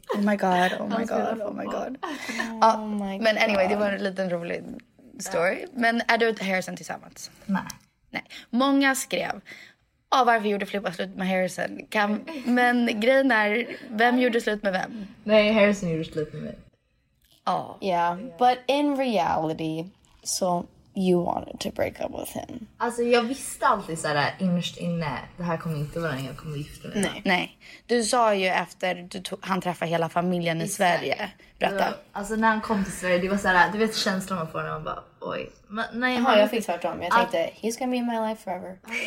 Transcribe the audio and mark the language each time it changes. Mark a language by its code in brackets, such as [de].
[en] Oh my god, oh my god, oh my god. Oh my god. [sv] Men anyway, det var en liten rolig story. Men är du och Harrison tillsammans? Nej. Många skrev, varför gjorde Filippa slut med Harrison? Men grejen är, vem gjorde slut med vem? Nej, Harrison gjorde slut med mig. [en] Yeah, but in reality, so you wanted to break up with him. [sv] Alltså jag visste alltid så här innerst inne, det här kommer inte vara den jag kommer gifta mig. Nej. Du sa ju efter han träffade hela familjen i Sverige. Berätta. Alltså när han kom till Sverige, det var så här, du vet känslan man får när man bara, oj. Jag fick svart om, jag tänkte, [en] he's gonna be in my life forever.